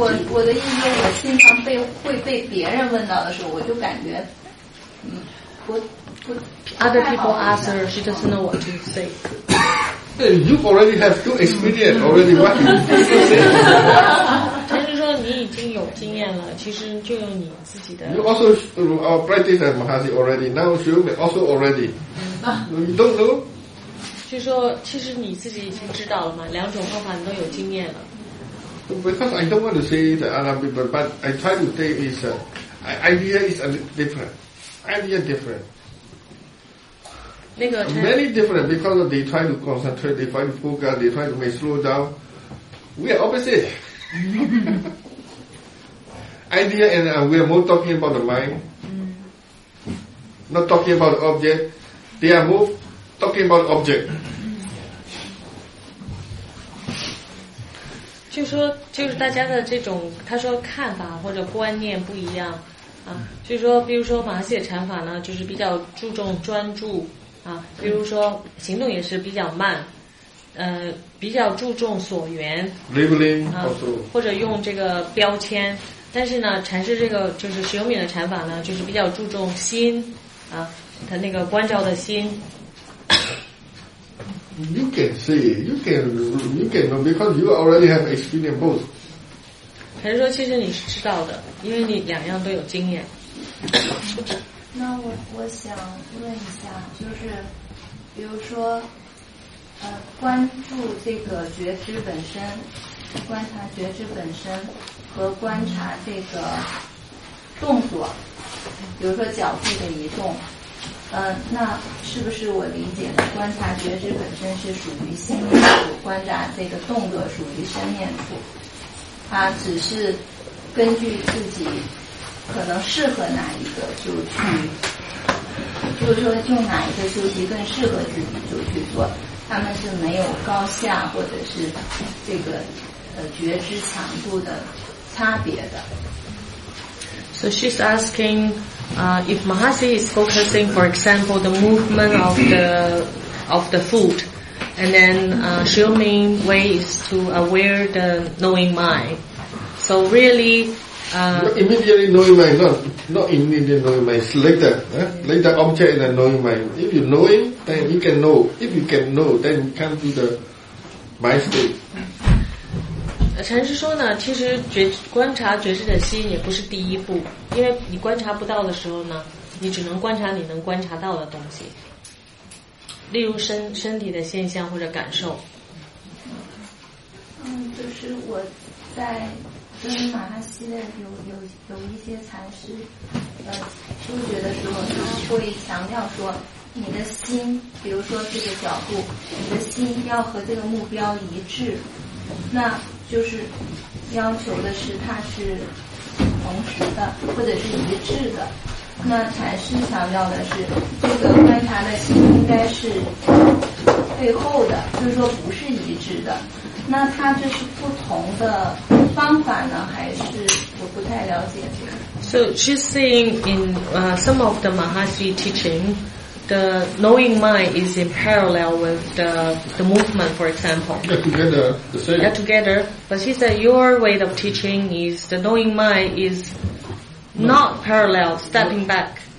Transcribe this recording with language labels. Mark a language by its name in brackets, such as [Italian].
[Chinese] 我的意思，我经常会背别人的话，然后我就感觉， [English] Other people ask her, she doesn't know what to say. You already have good experience already. What do you say? [Chinese] 就是说你已经有经验了，其实就用你自己的。 [English] You also practice at Mahasi already. Now you also already. [Chinese] 你都懂，就说其实你自己已经知道了嘛，两种方法你都有经验了。 [English] Because I don't want to say the other people, but I try to say is idea is a different, idea different. [Chinese] 那个 [English] many different because they try to concentrate, they try to focus, they try to make slow down. We are opposite. idea and we are more talking about the mind,not talking about the object. They are both talking about object. [Chinese] 就说就是大家的这种他说看法或者观念不一样啊，就说比如说马哈西的禅法呢，就是比较注重专注啊，比如说行动也是比较慢，比较注重所缘 [English] labeling [Chinese] 啊，或者用这个标签。但是呢，禅师这个就是修敏的禅法呢，就是比较注重心啊。他那个关照的心 [English] ，You can say, you can know because you already have experience both. [Chinese] 还是说，其实你是知道的，因为你两样都有经验。那我想问一下，就是比如说，关注这个觉知本身，观察觉知本身和观察这个动作，比如说脚步的移动。那是不是我理解的观察觉知本身是属于心念处，观察这个动作属于身念处，它只是根据自己可能适合哪一个就去，就是说用哪一个休息更适合自己就去做，他们是没有高下或者是这个觉知强度的差别的。 [English] So she's asking, if Mahasi is focusing, for example, the movement of the foot, and then, Shiomin way is to aware the knowing mind. So really, Immediately knowing mind, not immediately knowing mind, it's later, later object in the knowing mind. If you know it, then you can know. If you can know, then you can do the mind state. [Chinese] 禅师说呢，其实观察觉知的心也不是第一步，因为你观察不到的时候呢，你只能观察你能观察到的东西，例如身体的现象或者感受。嗯，就是我在跟马哈西的有一些禅师修学的时候，他会强调说，你的心，比如说这个脚步，你的心要和这个目标一致，那。就是要求的是它是同时的或者是一致的，那禅师强调的是这个观察的心应该是背后的，就是说不是一致的，那它这是不同的方法呢，还是我不太了解这个。 [English] So she's saying in some of the Mahasi teachingThe knowing mind is in parallel with the movement, for example. Yeah, together, the same. Yeah, together. But she said your way of teaching is the knowing mind is not parallel, stepping back.